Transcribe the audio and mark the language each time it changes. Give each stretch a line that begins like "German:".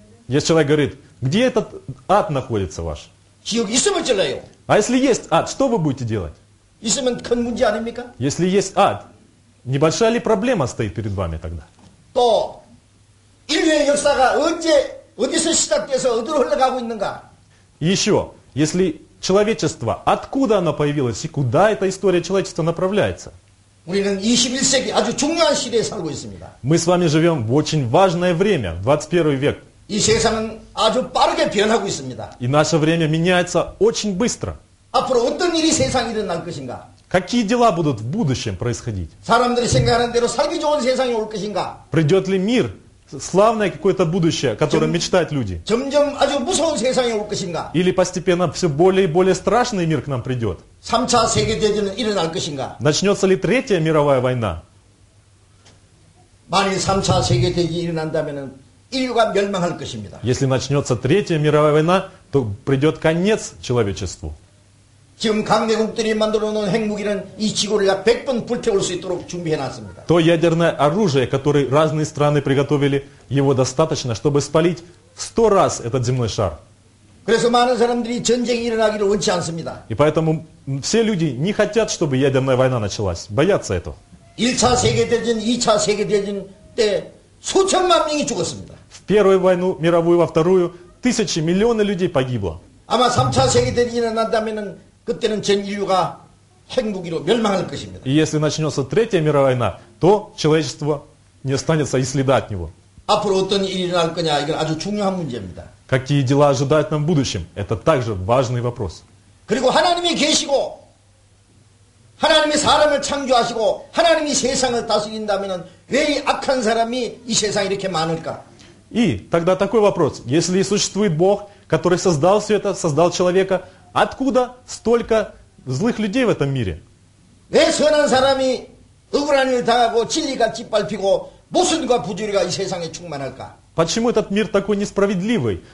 Russian: Если человек говорит, где этот ад находится ваш?
Korean: 지옥 있으면 질러요.
Russian: А если есть ад, что вы будете делать?
Korean: 있으면 큰 문제 아닙니까?
Russian: Если есть ад, небольшая ли проблема стоит перед вами тогда?
Korean: 또 인류의 역사가 언제 어디서 시작돼서 어디로 흘러가고 있는가?
Russian: Еще, если человечество, откуда оно появилось и куда эта история человечества направляется?
Korean: 우리는 21세기 아주 중요한 시대에 살고 있습니다.
Russian: Мы с вами живем в очень важное время, 21 век.
Korean: 이 세상은 아주 빠르게 변하고 있습니다.
Russian: И наше время меняется очень быстро.
Korean: 앞으로 어떤 일이 세상에 일어날 것인가?
Russian: Какие дела будут в будущем происходить?
Korean: 사람들이 생각하는 대로 살기 좋은 세상이 올 것인가?
Russian: Придет ли мир? Славное какое-то будущее, о котором мечтают люди.
Korean: 점점 아주 무서운 세상이 올 것인가?
Russian: Или постепенно все более и более страшный мир к нам придет.
Korean: 3차 세계대전은 일어날 것인가?
Russian: Начнется ли третья мировая война?
Korean: 만일 3차 세계대전이 일어난다면 인류가 멸망할 것입니다.
Russian: Если начнется третья мировая война, то придет конец человечеству.
Korean: 지금 강대국들이 만들어 놓은 핵무기는 이 지구를 약 100번 불태울 수 있도록 준비해 놨습니다.
Russian: То ядерное оружие, которое разные страны приготовили, его достаточно, чтобы спалить 100 раз этот земной шар.
Korean: 그래서 많은 사람들이 전쟁이 일어나기를 원치 않습니다.
Russian: И поэтому все люди не хотят, чтобы ядерная война началась. Боятся этого.
Korean: 1차 세계대전, 2차 세계대전 때 수천만 명이 죽었습니다.
Russian: В первую войну мировую, во вторую, тысячи, миллионы людей погибло.
Korean: 아마 3차 세계대전이 일어난다면은 그때는 전 인류가 핵무기로 멸망할 것입니다.
Russian: И если начнется третья мировая война, то человечество не останется и следа от него.
Korean: 앞으로 어떤 일이 일어날 거냐, 이건 아주 중요한 문제입니다.
Russian: Какие дела ожидают нам в будущем? Это также важный вопрос.
Korean: 그리고 하나님이 계시고 하나님이 사람을 창조하시고 하나님이 세상을 다스린다면 왜 이 악한 사람이 이 세상에 이렇게 많을까?
Russian: И тогда такой вопрос. Если и существует Бог, который создал все это, создал человека, откуда столько злых людей в этом мире? Почему этот мир такой несправедливый?